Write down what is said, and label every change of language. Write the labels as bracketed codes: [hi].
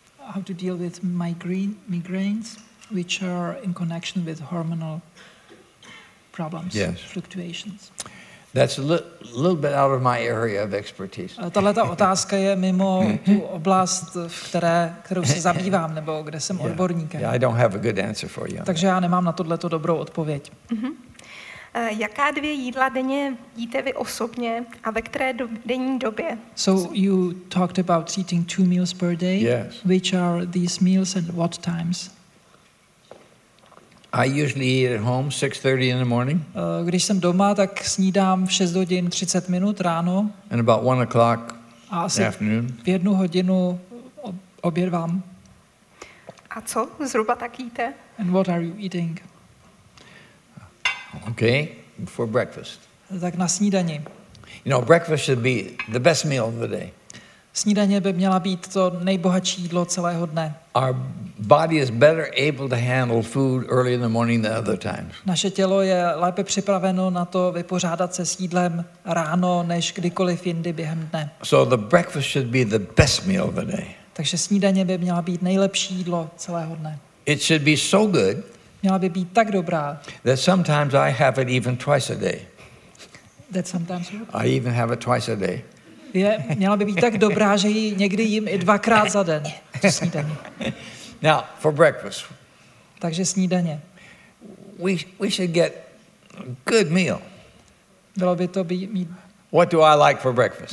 [en] How to deal with migraines, which are in connection with hormonal problems, yes. Fluctuations. That's a little bit out of my area of expertise. [cs] Tato otázka je mimo tu oblast, kterou se zabývám, nebo kde jsem odborníkem. [en] Yeah, I don't have a good answer for you. [cs] Takže já nemám na tohleto dobrou odpověď. Jaká dvě jídla denně jíte vy osobně a ve které denní době? [en] So you talked about eating two meals per day. Yes. Which are these meals and what times? I usually eat at home 6:30 in the morning. [cs] Když jsem doma, tak snídám v 6 hodin 30 minut ráno. [en] And about 1 o'clock in the afternoon. [cs] V jednu hodinu oběd vám. A co zhruba tak jíte? [en] And what are you eating? Okay, before breakfast. [cs] Tak na snídani. [en] You know, breakfast should be the best meal of the day. [cs] Snídaně by měla být to nejbohatší jídlo celého dne. [en] Our body is better able to handle food early in the morning than other times. [cs] Naše tělo je lépe připraveno na to vypořádat se s jídlem ráno než kdykoliv jindy během dne. [en] So the breakfast should be the best meal of the day. [cs] Takže snídaně by měla být nejlepší jídlo celého dne. [en] It should be so good. [cs] Měla by být tak dobrá. [en] That sometimes I have it even twice a day. That sometimes. I even have it twice a day. [cs] Měla by být tak dobrá, že ji někdy jím i dvakrát za den. Snídaně. [en] Now, for breakfast. [cs] Takže snídaně. [en] We should get a good meal. [cs] Bylo by to mít. [en] What do I like for breakfast?